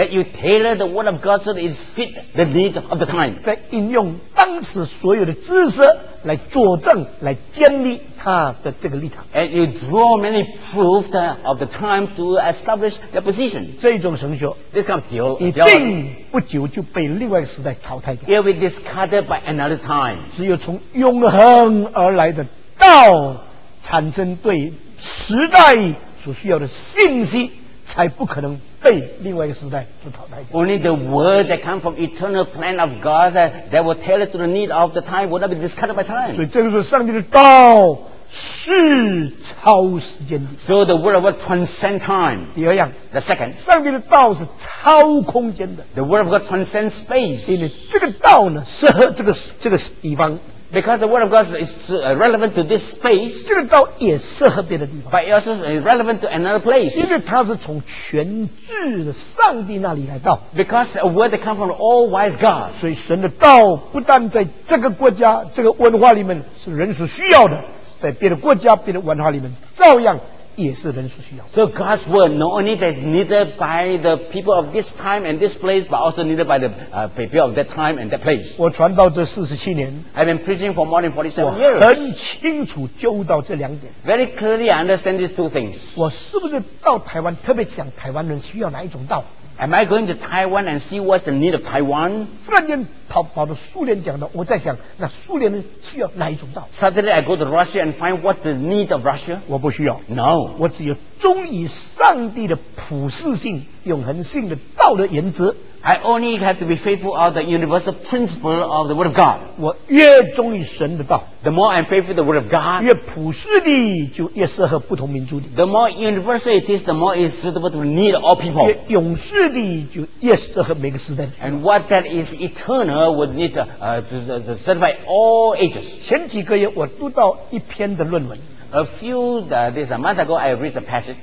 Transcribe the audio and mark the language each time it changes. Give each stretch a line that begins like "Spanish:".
English: That you tailor the word of God so that it fit the need of the time.
Chinese: 在应用当时所有的知识来佐证、来建立他的这个立场。
English: And you draw many proofs of the time to establish the position.
Chinese: 这种神学
English: ，this kind of theology，
Chinese: 一定不久就被另外一个时代淘汰掉。
English: It'll be discarded by another time.
Chinese: 只有从永恒而来的道产生对时代所需要的信息，才不可能被另外一个时代所淘汰掉。
English: Only the word that comes from eternal plan of God that will tell it to the need of the time will not be discarded by time.
Chinese: 所以这个是上帝的道是超时间的。
English: So the word will transcend time.
Chinese: 第二样。
English: The second.
Chinese: 上帝的道是超空间的。
English: The word of God transcends space.
Chinese: 因为这个道呢，适合这个地方。
English: Because the word of God is relevant to this space,
Chinese: 这个道也适合别的地方。
English: But it also is relevant to another place.
Chinese: 因为它是从全智的上帝那里来到。
English: Because a word that comes from the all wise God.
Chinese: 所以神的道不但在这个国家、这个文化里面是人所需要的，在别的国家、别的文化里面照样也是人所需要的。
English: So God's word not only is needed by the people of this time and this place, but also needed by the people of that time and that place.
Chinese: 我传道这47年，
English: I've been preaching for more than 47 years.
Chinese: 我很清楚就到这两点。
English: Very clearly, I understand these two things.
Chinese: 我是不是到台湾特别讲台湾人需要哪一种道？
English: Am I going to Taiwan and see what's the need of Taiwan?
Chinese: 突然间跑到苏联讲的，我在想那苏联人需要哪一种道。
English: Suddenly I go to Russia and find what the need of Russia.
Chinese: 我不需要。
English: No.
Chinese: 我只有忠于上帝的普世性永恒性的道的原则。
English: I only have to be faithful of the universal principle of the word of God.
Chinese: 我越忠于神的道，
English: The more I'm faithful to the word of God,
Chinese: 越普世的就越适合不同民族的。
English: The more universal it is, the more it's suitable to the need of all people.
Chinese: 越永世的就越适合每个时代。
English: And what that is eternal would need to certify all ages.
Chinese: 前几个月我读到一篇的论文。
English: A few this month ago I read a passage.